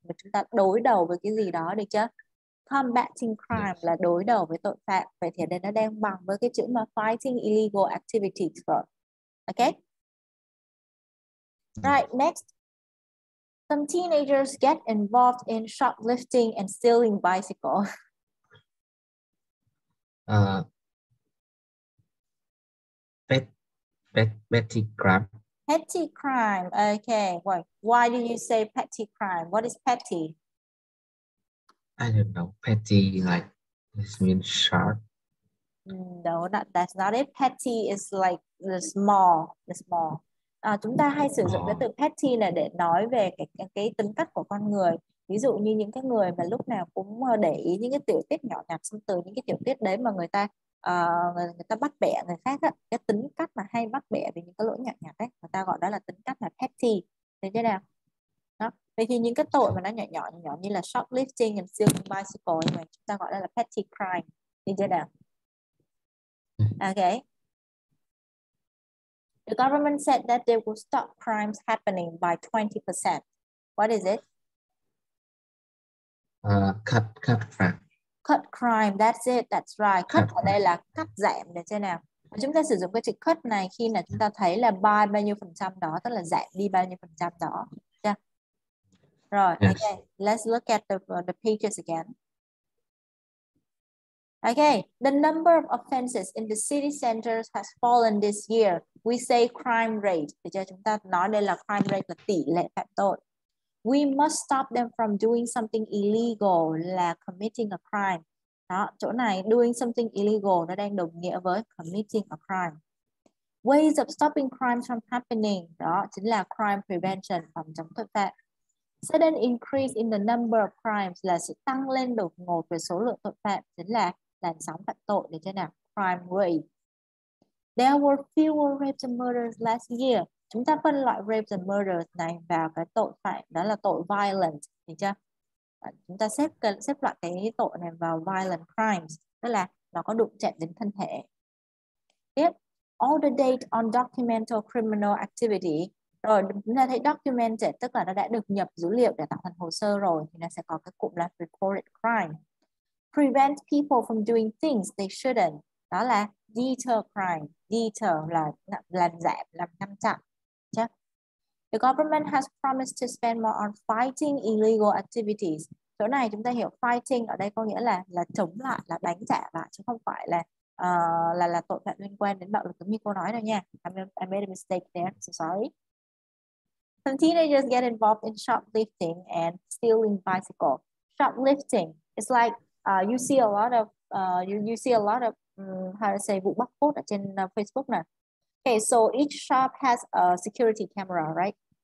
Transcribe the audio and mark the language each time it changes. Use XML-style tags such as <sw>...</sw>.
<vi>Chúng ta đối đầu với cái gì đó, được chưa?</vi> <en>Combating crime</en> <vi>là đối đầu với tội phạm. Vậy thì đây nó đang bằng với cái chữ mà</vi> <en>fighting illegal activities</en> <vi>rồi.</vi> <en>Okay? Right, next. Some teenagers get involved in shoplifting and stealing bicycles. Petty crime. Petty crime. Okay. Why do you say petty crime? What is petty? I don't know. Petty, like, this means sharp. No, that's not it. Petty is like the small.</en> <vi>Chúng ta hay sử dụng cái từ petty này để nói về cái tính cách của con người. Ví dụ như những cái người mà lúc nào cũng để ý những cái tiểu tiết nhỏ nhặt, xong từ những cái tiểu tiết đấy mà người ta bắt bẻ người khác á, cái tính cách mà hay bắt bẻ vì những cái lỗi nhỏ nhặt ấy, người ta gọi đó là tính cách là petty. Thế thế nào? Đó. Vậy thì những cái tội mà nó nhỏ như là</vi> <en>shoplifting and stealing bicycle</en> <vi>mà chúng ta gọi đó là petty crime. Thế thế nào? Okay.</vi> <en>The government said that they will stop crimes happening by 20%. What is it? Cut crime. Cut crime, that's it, that's right.</en> <vi>Cut ở đây là cắt giảm, được chưa nào? Chúng ta sử dụng cái chữ cut này khi mà chúng ta thấy là by bao nhiêu phần trăm đó, tức là giảm đi bao nhiêu phần trăm đó.</vi> <en>Yeah. Rồi, yes. Okay. Let's look at the pages again. Okay, the number of offenses in the city centers has fallen this year. We say crime rate.</en> <vi>Bây giờ chúng ta nói đây là crime rate, là tỷ lệ phạm tội.</vi> <en>We must stop them from doing something illegal,</en> <vi>là</vi> <en>committing a crime.</en> <vi>Đó, chỗ này,</vi> <en>doing something illegal,</en> <vi>nó đang đồng nghĩa với</vi> <en>committing a crime. Ways of stopping crimes from happening,</en> <vi>đó, chính là crime prevention, phòng chống tội phạm.</vi> <en>Sudden increase in the number of crimes</en> <vi>là sự tăng lên đột ngột về số lượng tội phạm, chính là làn sóng phạm tội, để cho nào, crime rate.</vi> <en>There were fewer rapes and murders last year.</en> <vi>Chúng ta phân loại</vi> <en>rapes and murders</en> <vi>này vào cái tội phạm, đó là tội violent, được chưa? Chúng ta xếp loại cái tội này vào violent crimes, tức là nó có đụng chạm đến thân thể. Tiếp,</vi> <en>all the data on documental criminal activity,</en> <vi>rồi chúng ta thấy documented, tức là nó đã được nhập dữ liệu để tạo thành hồ sơ rồi, thì nó sẽ có cái cụm là recorded crime.</vi> <en>Prevent people from doing things they shouldn't,</en> <vi>đó là</vi> <en>deter crime.</en> <vi>Deter là làm giảm, làm ngăn chặn.</vi> <en>The government has promised to spend more on fighting illegal activities.</en> <vi>Chỗ này chúng ta hiểu fighting ở đây có nghĩa là chống lại, là đánh trả lại, chứ không phải là tội phạm liên quan đến bạo lực giống như cô nói đâu nha.</vi> <en>I made a mistake there, so sorry. Some teenagers get involved in shoplifting and stealing bicycle. Shoplifting, it's like you see a lot of you see a lot of how to say</en> <vi>vụ bóc phốt ở trên Facebook nè.</vi> <en>Okay, so each shop has a security camera, right?</en>